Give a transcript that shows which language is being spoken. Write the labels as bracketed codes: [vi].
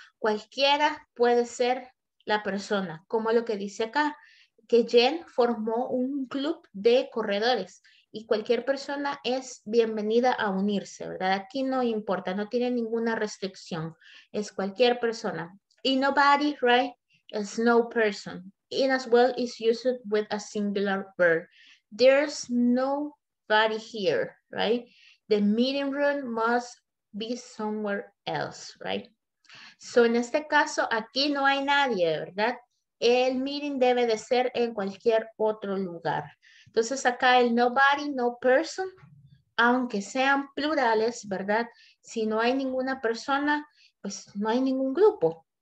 [es] Cualquiera puede ser la persona, como lo que dice acá, que Jen formó un club de corredores y cualquier persona es bienvenida a unirse, ¿verdad? Aquí no importa, no tiene ninguna restricción, es cualquier persona. [en] Y nobody, right? Is no person. In as well is used with a singular verb. There's nobody here, right? The meeting room must be somewhere else, right? [es] So en este caso, aquí no hay nadie, ¿verdad? El meeting debe de ser en cualquier otro lugar. Entonces acá el nobody, [en] no person, [es] aunque sean plurales, ¿verdad? Si no hay ninguna persona, pues no hay ningún grupo.